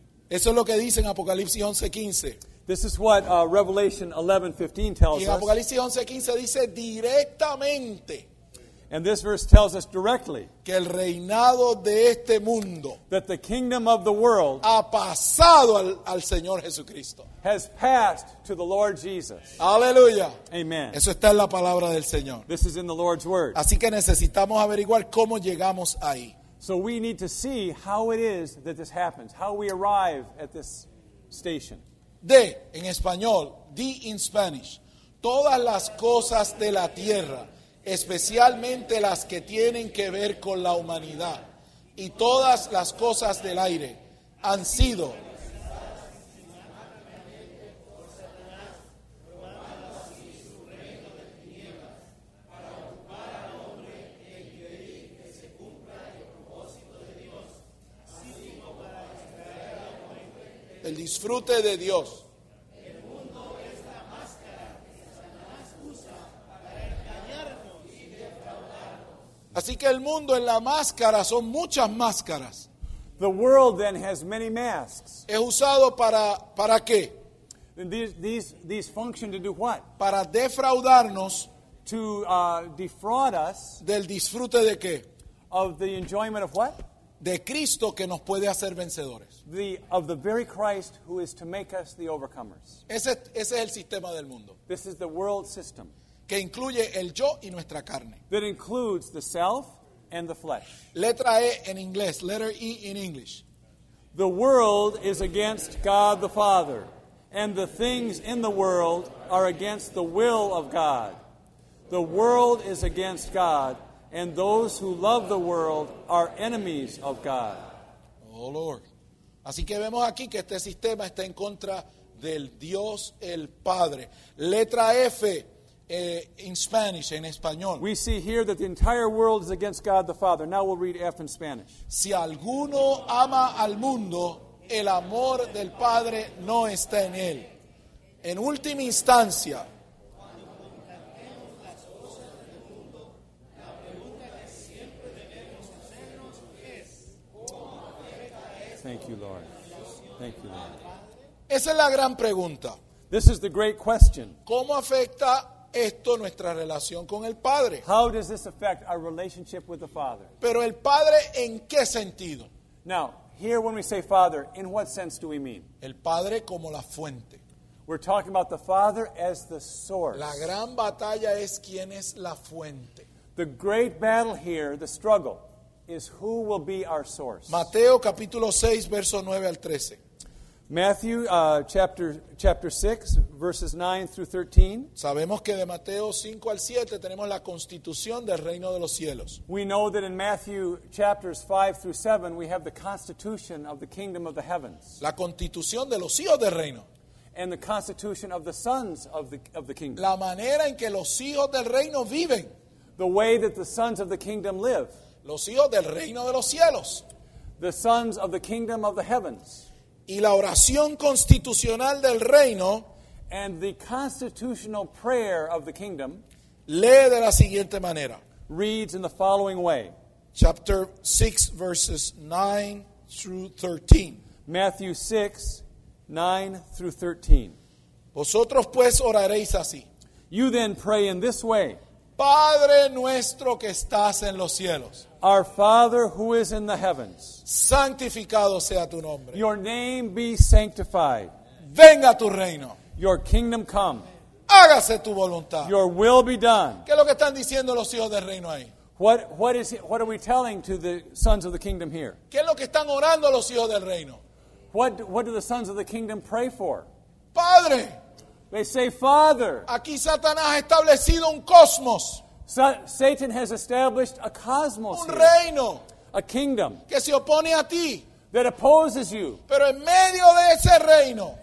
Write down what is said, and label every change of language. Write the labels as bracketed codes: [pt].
[es] Eso es lo que dice en Apocalipsis 11:15. [en] This is what Revelation 11:15 tells us. [es] En Apocalipsis 11:15 dice directamente. [en] And this verse tells us directly [es] que el reinado de este mundo, [en] that the kingdom of the world [es] ha pasado al Señor Jesucristo, [en] has passed to the Lord Jesus. [es] Aleluya. [en] Amen. [es] Eso está en la palabra del Señor. [en] This is in the Lord's word. [es] Así que necesitamos averiguar cómo llegamos ahí. [en] So we need to see how it is that this happens, how we arrive at this station. [es] De, en español, di [en] in Spanish, [es] todas las cosas de la tierra, especialmente las que tienen que ver con la humanidad y todas las cosas del aire han sido el disfrute de Dios. Así que el mundo en la máscara son muchas máscaras. [en] The world then has many masks. [es] Es usado para qué? [en] These function to do what? [es] Para defraudarnos. [en] To defraud us. [es] Del disfrute de qué? [en] Of the enjoyment of what? [es] De Cristo que nos puede hacer vencedores. [en] Of the very Christ who is to make us the overcomers. [es] Ese es el sistema del mundo. [en] This is the world system. [es] Que incluye el yo y nuestra carne. [en] That includes the self and the flesh. [es] Letra E en inglés. [en] Letter E in English. The world is against God the Father, and the things in the world are against the will of God. The world is against God, and those who love the world are enemies of God. Oh, Lord. [es] Así que vemos aquí que este sistema está en contra del Dios el Padre. Letra F. [en] In Spanish, [es] en español. [en] We see here that the entire world is against God the Father. Now we'll read F in Spanish. [es] Si alguno ama al mundo, el amor del Padre no está en él. En última instancia, [en] thank you, Lord. Thank you, Lord. [es] Esa es la gran pregunta. [en] This is the great question. [es] ¿Cómo afecta esto nuestra relación con el Padre? [en] How does this affect our relationship with the Father? [es] Pero el Padre, ¿en qué sentido? [en] Now, here when we say Father, in what sense do we mean? [es] El Padre como la fuente. [en] We're talking about the Father as the source. [es] La gran batalla es quién es la fuente. [en] The great battle here, the struggle, is who will be our source. [es] Mateo capítulo 6, verso 9 al 13. [en] Matthew chapter 6, verses 9 through 13. [es] Sabemos que de Mateo 5 al 7 tenemos la constitución del reino de los cielos. [en] We know that in Matthew chapters 5 through 7 we have the constitution of the kingdom of the heavens. [es] La constitución de los hijos del reino. [en] And the constitution of the sons of the kingdom. [es] La manera en que los hijos del reino viven. [en] The way that the sons of the kingdom live. [es] Los hijos del reino de los cielos. [en] The sons of the kingdom of the heavens. [es] Y la oración constitucional del reino, [en] and the constitutional prayer of the kingdom, [es] lee de la siguiente manera. [en] Reads in the following way. Chapter 6, verses 9 through 13. Matthew 6, 9 through 13. [es] Vosotros pues oraréis así. [en] You then pray in this way. [es] Padre nuestro que estás en los cielos. [en] Our Father who is in the heavens. [es] Santificado sea tu nombre. [en] Your name be sanctified. [es] Venga tu reino. [en] Your kingdom come. [es] Hágase tu voluntad. [en] Your will be done. [es] ¿Qué es lo que están diciendo los hijos del reino ahí? [en] What are we telling to the sons of the kingdom here? [es] ¿Qué es lo que están orando los hijos del reino? [en] What do the sons of the kingdom pray for? [es] Padre. [en] They say, Father. [es] Aquí Satanás ha establecido un cosmos. [en] Satan has established a cosmos. [es] Un [en] here, [es] reino. [en] A kingdom. [es] Que se opone a ti. [en] That opposes you. [es] Pero en medio de ese reino.